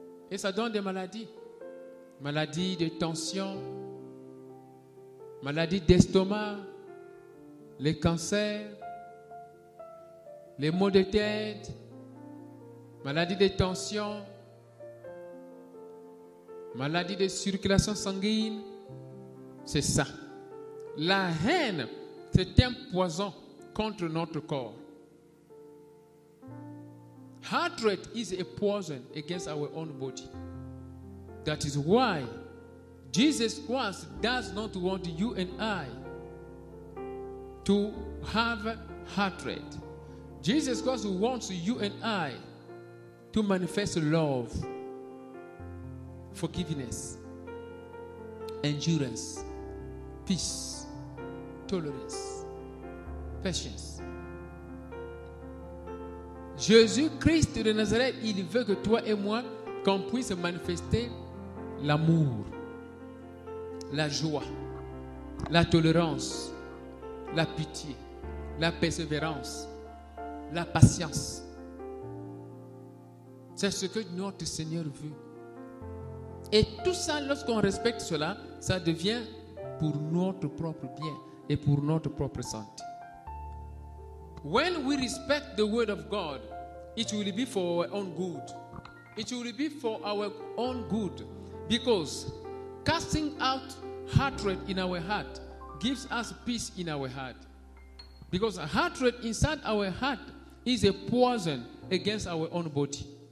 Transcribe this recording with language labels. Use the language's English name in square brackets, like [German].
[French] Et ça donne des maladies. Maladies de tension, maladies d'estomac, les cancers, les maux de tête, maladie de tension, maladie de circulation sanguine, c'est ça. La haine, c'est un poison contre notre corps. [English] Hatred is a poison against our own body. That is why Jesus Christ does not want you and I to have hatred. Jesus Christ wants you and I to manifest love, forgiveness, endurance, peace, tolerance, patience. [French] Jésus Christ de Nazareth, il veut que toi et moi, qu'on puisse manifester l'amour, la joie, la tolérance, la pitié, la persévérance, la patience. C'est ce que notre Seigneur veut. Et tout ça, lorsqu'on respecte cela, ça devient pour notre propre bien et pour notre propre santé. [English] When we respect the word of God, it will be for our own good. It will be for our own good. Because casting out hatred in our heart gives us peace in our heart. Because hatred inside our heart is a poison against our own body.